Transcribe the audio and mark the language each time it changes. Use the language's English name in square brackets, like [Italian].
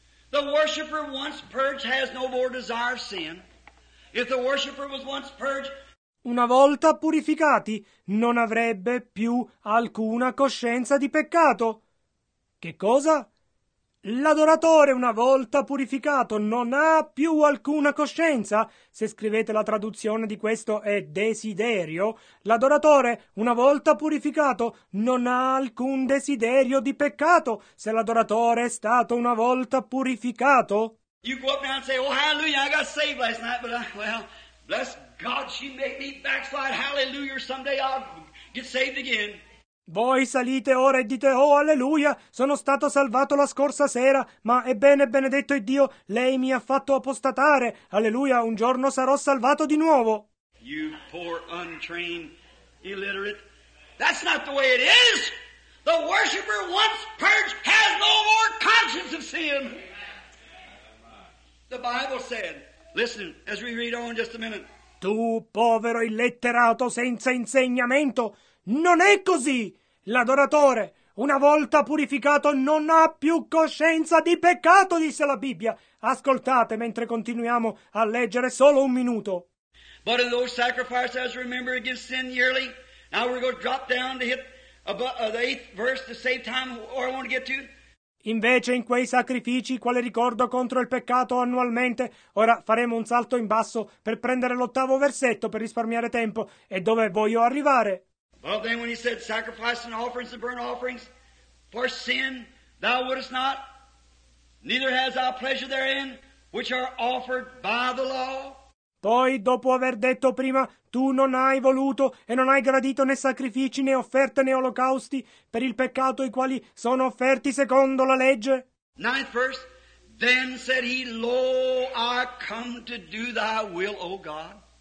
[English] The worshipper once purged has no more desire of sin. If the worshipper was once purged, [Italian] una volta purificati non avrebbe più alcuna coscienza di peccato. Che cosa? L'adoratore una volta purificato non ha più alcuna coscienza. Se scrivete la traduzione di questo è desiderio. L'adoratore una volta purificato non ha alcun desiderio di peccato. Se l'adoratore è stato una volta purificato. [English] You go up now and say, oh hallelujah, I got saved last night, but bless God, she made me backslide, hallelujah, someday I'll get saved again. [Italian] Voi salite ora e dite, oh alleluia, sono stato salvato la scorsa sera, ma ebbene benedetto Dio, lei mi ha fatto apostatare, alleluia, un giorno sarò salvato di nuovo. [English] You poor untrained illiterate, that's not the way it is, the worshipper once purged has no more conscience of sin. The Bible said, listen, as we read on just a minute. [Italian] Tu povero illetterato senza insegnamento, non è così! L'adoratore, una volta purificato, non ha più coscienza di peccato, disse la Bibbia. Ascoltate mentre continuiamo a leggere solo un minuto. [English] But in those sacrifices as remembered against sin yearly, now we're going to drop down to hit above the 8th verse to save time or I want to get to. [Italian] Invece in quei sacrifici, quale ricordo contro il peccato annualmente, ora faremo un salto in basso per prendere l'ottavo versetto per risparmiare tempo e dove voglio arrivare. [English] Well, then when he said sacrifice and offerings and burnt offerings for sin, thou wouldest not, neither has thou pleasure therein, which are offered by the law. [Italian] Poi, dopo aver detto prima, tu non hai voluto e non hai gradito né sacrifici né offerte né olocausti per il peccato i quali sono offerti secondo la legge. [English] Ninth verse, then said he, lo, I come to do thy will, O God.